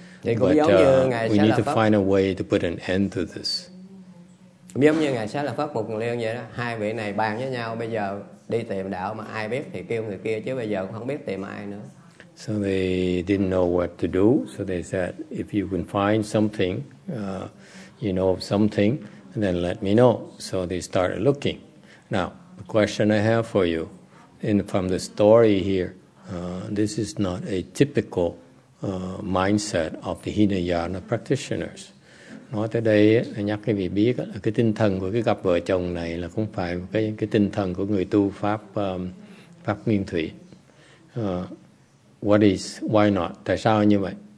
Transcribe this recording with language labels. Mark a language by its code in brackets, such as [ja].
[en] But we need to find a way to put an end to this. [vi] Giống như ngài Xá Lợi Phất Mục Kiền Liên vậy đó, hai vị này bàn với nhau bây giờ đi tìm đạo, mà ai biết thì kêu người kia, chứ bây giờ cũng không biết tìm ai nữa. [en] So they didn't know what to do. So they said, if you can find something, you know of something, then let me know. So they started looking. Now, the question I have for you, in from the story here, this is not a typical mindset of the Hinayana practitioners. [vi] Nói tới đây nhắc cái vị biết là cái tinh thần của cái cặp vợ chồng này là không phải cái tinh thần của người tu pháp pháp Nguyên Thủy. [en] What is, why not? [vi] Tại sao như vậy?